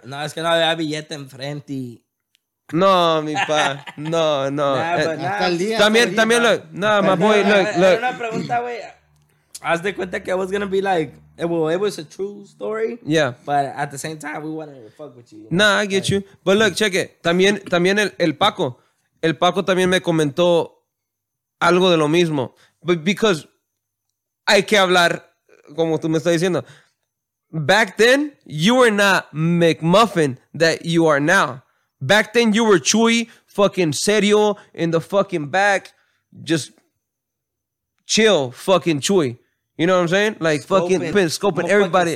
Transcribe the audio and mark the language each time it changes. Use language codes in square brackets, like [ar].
[es] No, es que no había billete enfrente. No, mi pa. No, no. Nah, hasta el día. [en] También, look. Nah, hasta my boy, look. [es] Una pregunta, güey. Haz de cuenta que [en] I was going to be like, well, it was a true story. Yeah. But at the same time, we wanted to fuck with you. Nah, I get you. But look, check it. [es] También el Paco. El Paco también me comentó algo de lo mismo. [en] But because... [es] Hay que hablar, como tú me estás diciendo. [en] Back then, you were not McMuffin that you are now. Back then, you were Chuy, fucking serio, in the fucking back. Just chill, fucking Chuy. You know what I'm saying? Like, scoping, fucking scoping everybody.